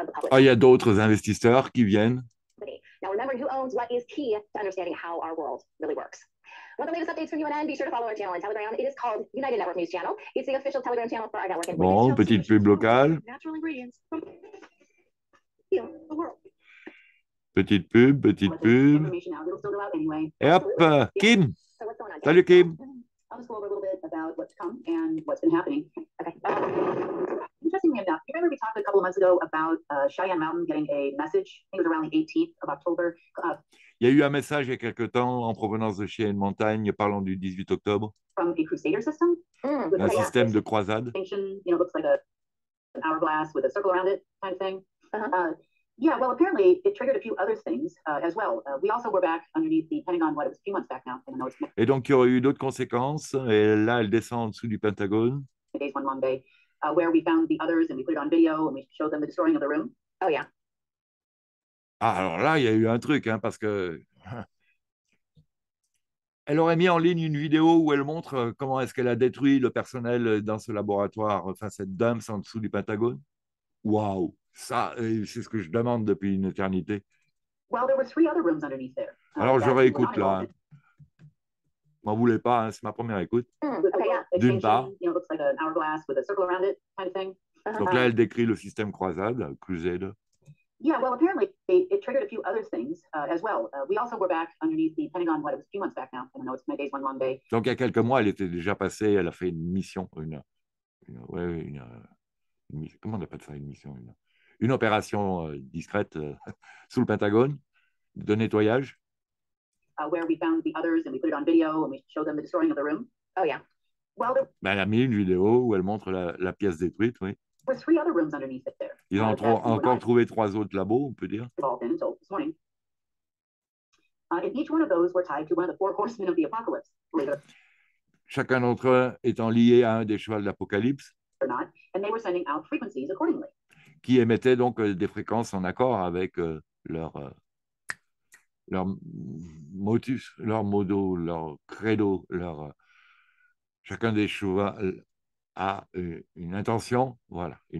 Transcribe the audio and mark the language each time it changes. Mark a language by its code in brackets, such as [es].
[fr] Ah, il y a d'autres investisseurs qui viennent. [en] Now remember who owns what is key to understanding how our world really works. Well, the latest updates from UNN, be sure to follow our channel on Telegram. It is called United Network News Channel. It's the official Telegram channel for our network. [fr] Bon, petite pub locale. [en] Natural ingredients. [fr] Petite pub, petite pub. Et hop, Kim. Salut, Kim. [en] I'll just go over a little bit about what's come and what's been happening. Okay. Interestingly enough, you remember we talked a couple of months ago about Cheyenne Mountain getting a message? I think it was around the 18th of October. [fr] Il y a eu un message il y a quelque temps en provenance de Cheyenne Mountain, parlant du 18 octobre. [en] From a crusader system? [fr] Un système de croisade. [en] You know, looks like an hourglass with a circle around it kind of thing. Yeah, well, apparently, it triggered a few other things as well. We also were back underneath the Pentagon, what, it was a few months back now. [fr] Et donc, il y aurait eu d'autres conséquences. Et là, elle descend en dessous du Pentagone. [en] The days one long day, where we found the others, and we put it on video, and we showed them the destroying of the room. Oh, yeah. [fr] Ah, alors là, il y a eu un truc, hein, parce que... Elle aurait mis en ligne une vidéo où elle montre comment est-ce qu'elle a détruit le personnel dans ce laboratoire, enfin, cette dump en dessous du Pentagone. Waouh. Ça, c'est ce que je demande depuis une éternité. [en] Well, there were three other rooms underneath there. [fr] Alors, je réécoute là. Je m'en voulais pas, hein, c'est ma première écoute. [en] Okay, yeah. [fr] D'une part. [en] You know, like an hourglass with a circle around it kind of thing. [fr] Donc là, elle décrit le système croisade, crusade. [en] Yeah, well, apparently, it triggered a few other things as well. We also were back underneath the Pentagon, what, it was a few months back now. I don't know, it's my days, one long day. [fr] Donc, il y a quelques mois, elle était déjà passée, elle a fait une mission, comment on appelle ça, une mission, une opération discrète sous le Pentagone de nettoyage. [en] Where we found the others and we put it on video and we showed them the destroying of the room. Oh yeah. Well, there... [fr] Ben, elle a mis une vidéo où elle montre la pièce détruite, oui. [en] There were three other rooms underneath it there. [fr] Ils ont encore trouvé trois autres labos, on peut dire. [en] In each one of those were tied to one of the four horsemen of the apocalypse. [fr] Chacun d'entre eux étant lié à un des chevaux de l'apocalypse. [en] And they were sending out frequencies accordingly. [fr] Qui émettaient donc des fréquences en accord avec leur motus, leur modo, leur credo, leur chacun des chevaux a une intention, voilà.